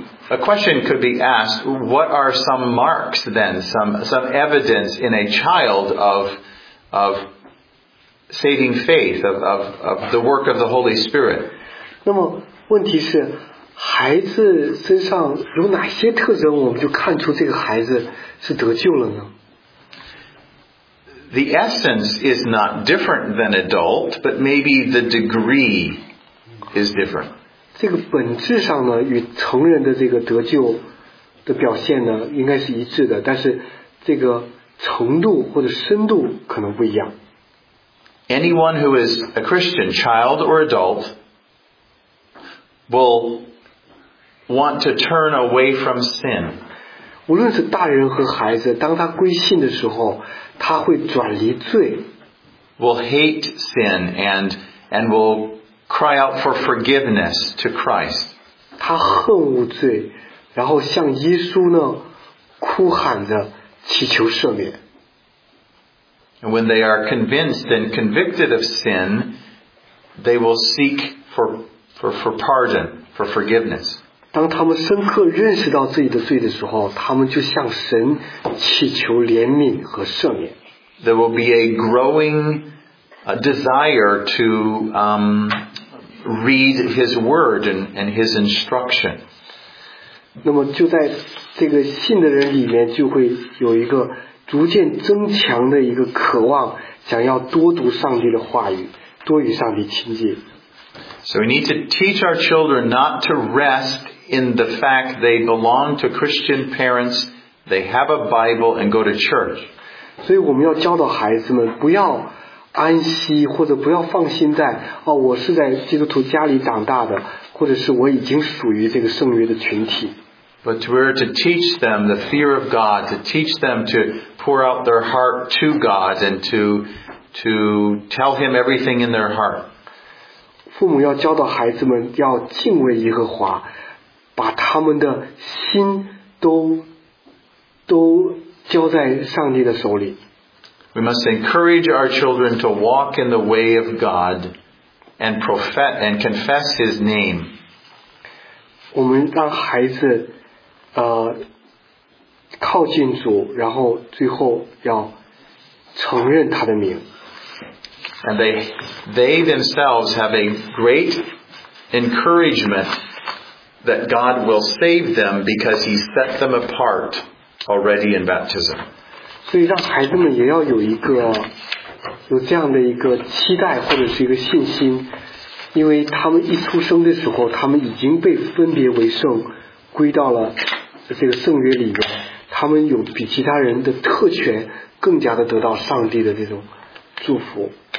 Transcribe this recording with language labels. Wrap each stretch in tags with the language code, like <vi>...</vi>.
<en>A question could be asked, what are some marks then, some evidence in a child of saving faith, of the work of the Holy Spirit?</en> <zh>那么问题是，孩子身上有哪些特征，我们就看出这个孩子是得救了呢？</zh> <en>The essence is not different than adult, but maybe the degree is different.</en> <zh>这个本质上呢，与成人的这个得救的表现呢，应该是一致的，但是这个程度或者深度可能不一样。</zh> <en>Anyone who is a Christian, child or adult, will want to turn away from sin.</en> <zh>无论是大人和孩子，当他归信的时候，他会转离罪。</zh> <en>Will hate sin and will cry out for forgiveness to Christ.</en> <zh>他恨恶罪，然后向耶稣呢哭喊着祈求赦免。</zh> <en>And when they are convinced and convicted of sin, they will seek for pardon, for forgiveness.</en> <zh>当他们深刻认识到自己的罪的时候，他们就向神祈求怜悯和赦免。</zh> <en>There will be a growing desire to read his word and his instruction.</en> <zh>那么就在这个信的人里面就会有一个逐渐增强的一个渴望，想要多读上帝的话语，多与上帝亲近。</zh> <en>So we need to teach our children not to rest in the fact they belong to Christian parents, they have a Bible and go to church.</en> <zh>所以我们要教导孩子们不要安息，或者不要放心在哦，我是在基督徒家里长大的，或者是我已经属于这个圣约的群体。</zh> <en>But we're to teach them the fear of God, to teach them to pour out their heart to God and to tell Him everything in their heart.</en> <zh>父母要教导孩子们要敬畏耶和华，把他们的心都交在上帝的手里。</zh> <en>We must encourage our children to walk in the way of God and profess and confess His name.</en> <zh>我们让孩子靠近主，然后最后要承认他的名。</zh> <en>And they themselves have a great encouragement that God will save them because He set them apart already in baptism.</en> <zh>所以让孩子们也要有这样的一个期待或者是一个信心，因为他们一出生的时候，他们已经被分别为圣，归到了这个圣约里面，他们有比其他人的特权，更加的得到上帝的这种祝福。</zh>